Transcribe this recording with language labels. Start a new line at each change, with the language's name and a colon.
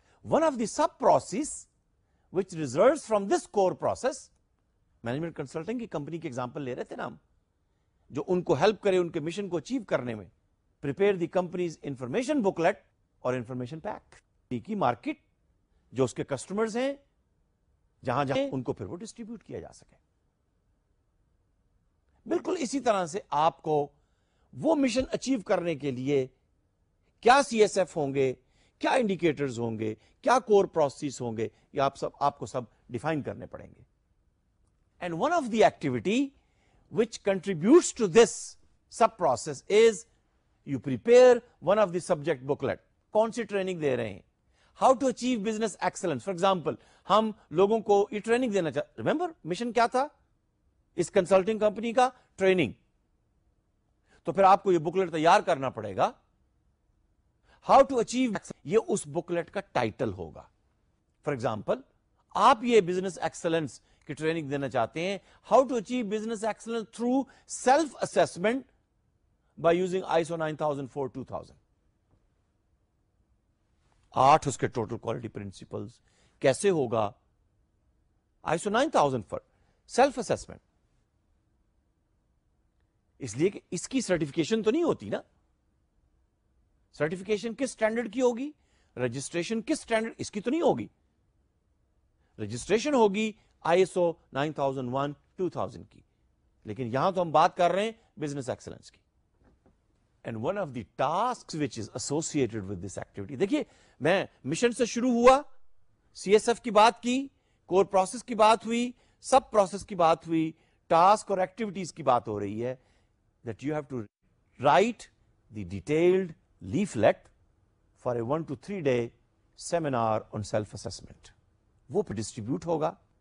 English: one of the sub process which results from this core process,
Urdu: management consulting کی company کے example لے رہے تھے نا ہم, جو ان کو ہیلپ کرے ان کے مشن کو اچیو کرنے میں, پریپیئر دی کمپنیز انفارمیشن بکلیٹ اور انفارمیشن پیک, کی مارکیٹ جو اس کے کسٹمرز ہیں جہاں جہاں ان کو پھر وہ ڈسٹریبیوٹ کیا جا سکے. بالکل اسی طرح سے آپ کو وہ مشن اچیو کرنے کے لیے کیا سی ایس ایف ہوں گے, کیا انڈیکیٹرز ہوں گے, کیا کور پروسیس ہوں گے, یہ آپ کو سب ڈیفائن کرنے پڑیں گے.
English: And one of the activity which contributes to this sub process is you prepare one of the subject booklet.
Urdu: کون سی ٹریننگ دے رہے ہیں,
English: how to achieve business excellence for example,
Urdu: ہم لوگوں کو یہ ٹریننگ دینا چاہتے. ریمبر مشن کیا تھا اس کنسلٹنگ کمپنی کا, ٹریننگ. تو پھر آپ کو یہ بکلیٹ تیار کرنا پڑے گا,
English: how to achieve,
Urdu: یہ اس بکلیٹ کا ٹائٹل ہوگا. فار ایگزامپل آپ یہ بزنس ایکسلنس کی ٹریننگ دینا چاہتے ہیں,
English: how to achieve business excellence through self assessment by using ISO 9004:2000,
Urdu: آٹھ اس کے ٹوٹل کوالٹی پرنسپلز کیسے ہوگا. ISO 9004 سیلف اسسمنٹ اس لیے کہ اس کی سرٹیفکیشن تو نہیں ہوتی نا. سرٹیفکیشن کس اسٹینڈرڈ کی ہوگی, رجسٹریشن کس اسٹینڈرڈ اس کی تو نہیں ہوگی. رجسٹریشن ہوگی ISO 9001:2000 کی, لیکن یہاں تو ہم بات کر رہے ہیں بزنس ایکسلنس کی.
English: and one of the tasks which is associated with this activity.
Urdu: دیکھیے میں مشن سے شروع ہوا, سی ایس ایف کی بات کی, کور پروسیس کی بات ہوئی, سب پروسیس کی بات ہوئی, ٹاسک اور ایکٹیویٹیز کی بات ہو رہی ہے.
English: that you have to write the detailed leaflet for a 1-3 day seminar on self assessment,
Urdu: وہ پھر ڈسٹریبیوٹ ہوگا.